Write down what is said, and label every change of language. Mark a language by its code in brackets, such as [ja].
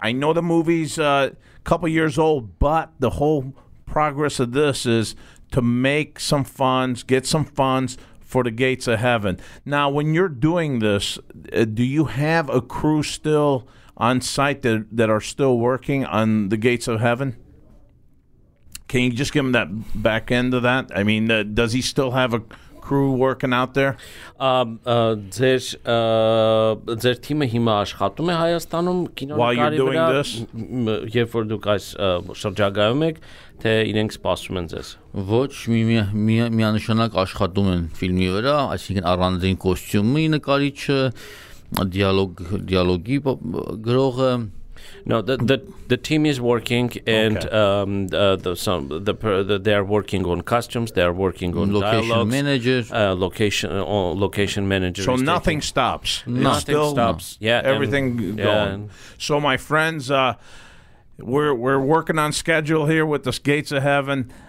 [en] I know the movie's a couple years old, but the whole progress of this is to make some funds, get some funds for the gates of heaven. Now, when you're doing this, do you have a crew still on site that are still working on the gates of heaven? Can you just give him that back end of that? I mean, does he still have a crew working out there? [hy] Ձեր թիմը հիմա աշխատում է Հայաստանում կինոնկարի վրա, երբ որ դուք այս շրջագայում եք, թե իրենք սպասում են ձեզ? Ոչ, միանշանակ աշխատում են ֆիլմի վրա, այսինքն առանձին կոստյումի նկարիչը, դիալոգի գրողը. [en] No, the team is working, and they are working on costumes. They are working on location dialogues, managers, location managers. So nothing stops. Nothing stops. No. Yeah, everything going. Yeah. So my friends, we're working on schedule here with the Gates of Heaven.